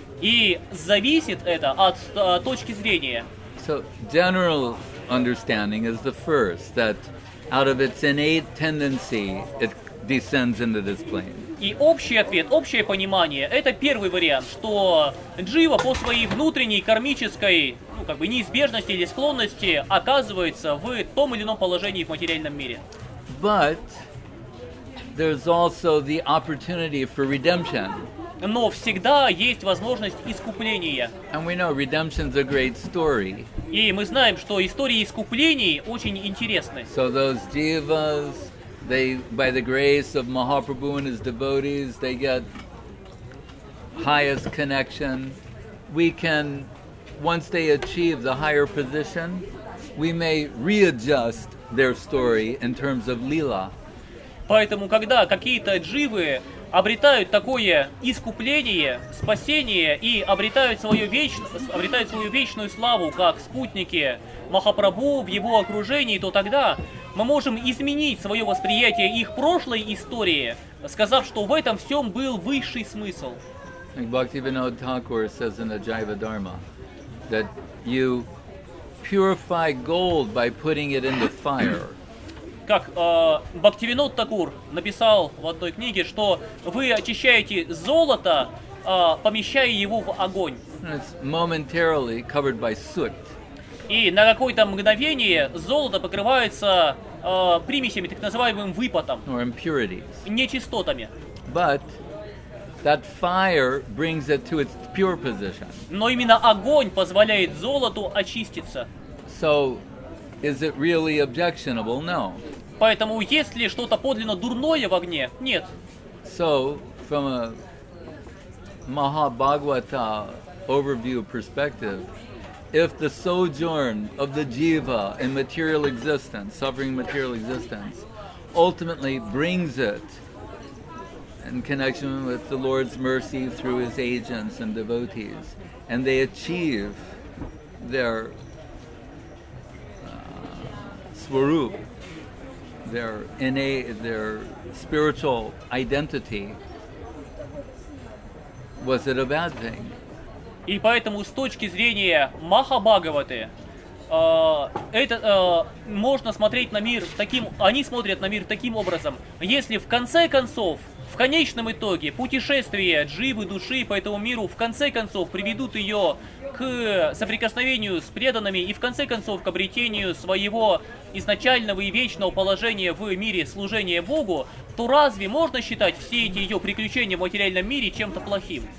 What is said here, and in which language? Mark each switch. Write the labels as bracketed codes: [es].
[ru] И зависит это от точки зрения. [en] So general understanding is the first that out of its innate tendency, it descends into this plane. [ru] И общий ответ, общее понимание, это первый вариант, что джива по своей внутренней кармической, ну как бы неизбежности или склонности оказывается в том или ином положении в материальном мире. [en] But there's also the opportunity for redemption. [ru] Но всегда есть возможность искупления. [en] And we know redemption's a great story. [ru] И мы знаем, что истории искуплений очень интересны. [en] So those divas, they, by the grace of Mahaprabhu and his devotees, they get highest connection. We can once they achieve the higher position, we may readjust their story in terms of lila. [ru] Поэтому, когда какие-то дживы обретают такое искупление, спасение и обретают свою вечную славу, как спутники Махапрабху в его окружении, то тогда мы можем изменить свое восприятие их прошлой истории, сказав, что в этом всем был высший смысл. [en] Bhaktivinoda Thakur says in the Jiva Dharma that you purify gold by putting it in the fire. [ru] Как Бхактивинод Такур написал в одной книге, что вы очищаете золото, помещая его в огонь. [en] It's momentarily covered by soot. [ru] И на какое-то мгновение золото покрывается примесями, так называемым выпотом. [en] Or impurities. [ru] Нечистотами. [en] But that fire brings it to its pure position. [ru] Но именно огонь позволяет золоту очиститься. [en] So, is it really objectionable? No. [ru] Поэтому есть ли что-то подлинно дурное в огне? Нет. [en] So, from a Mahabhagavata overview perspective, if the sojourn of the jiva in material existence, suffering material existence, ultimately brings it in connection with the Lord's mercy through his agents and devotees, and they achieve their swarup, their innate, their spiritual identity, was it a bad thing? [ru] И поэтому с точки зрения Махабхагаваты, можно смотреть на мир таким, они смотрят на мир таким образом. Если в конце концов, в конечном итоге, путешествия дживы души по этому миру в конце концов приведут ее к соприкосновению с преданными и в конце концов к обретению своего изначального и вечного положения в мире служения Богу, то разве можно считать все эти ее приключения в материальном мире чем-то плохим?